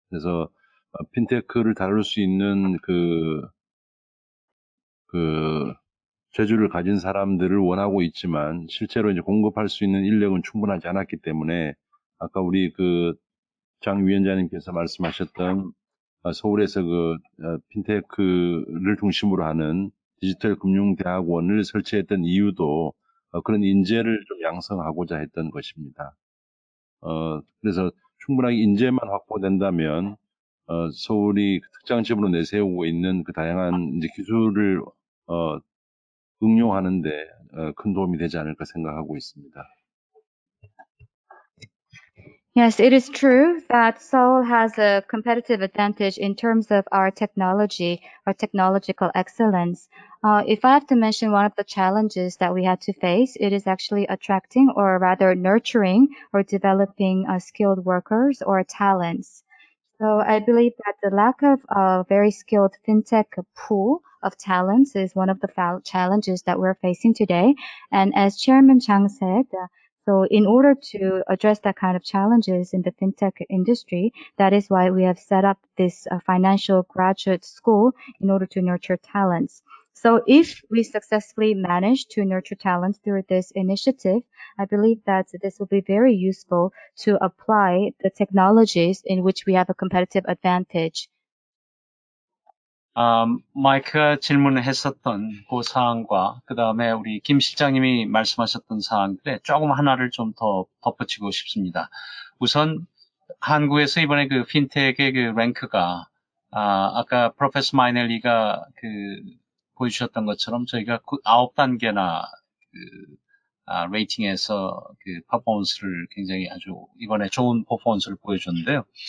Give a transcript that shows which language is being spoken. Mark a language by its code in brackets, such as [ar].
[ko] 그래서 핀테크를 다룰 수 있는 그 재주를 가진 사람들을 원하고 있지만 실제로 이제 공급할 수 있는 인력은 충분하지 않았기 때문에 아까 우리 그 장 위원장님께서 말씀하셨던 서울에서 그 핀테크를 중심으로 하는 디지털 금융 대학원을 설치했던 이유도 그런 인재를 좀 양성하고자 했던 것입니다. 그래서 충분하게 인재만 확보된다면 서울이 특장점으로 내세우고 있는 그 다양한 이제 기술을 응용하는데 큰 도움이 되지 않을까 생각하고 있습니다. [en] Yes, it is true that Seoul has a competitive advantage in terms of our technology, our technological excellence. If I have to mention one of the challenges that we had to face, it is actually attracting or rather nurturing or developing skilled workers or talents. So I believe that the lack of a very skilled fintech pool of talents is one of the challenges that we're facing today. And as Chairman Chang said, so in order to address that kind of challenges in the fintech industry, that is why we have set up this financial graduate school in order to nurture talents. So if we successfully manage to nurture talents through this initiative, I believe that this will be very useful to apply the technologies in which we have a competitive advantage. [ko] 마이크가 질문을 했었던 그 사항과 그 다음에 우리 김 실장님이 말씀하셨던 사항들에 조금 하나를 좀 더 덧붙이고 싶습니다. 우선 한국에서 이번에 그 핀테크의 그 랭크가 아까 프로페서 마이넬리가 그 보여주셨던 것처럼 저희가 9단계나 그 레이팅에서 그 퍼포먼스를 굉장히 아주 이번에 좋은 퍼포먼스를 보여줬는데요.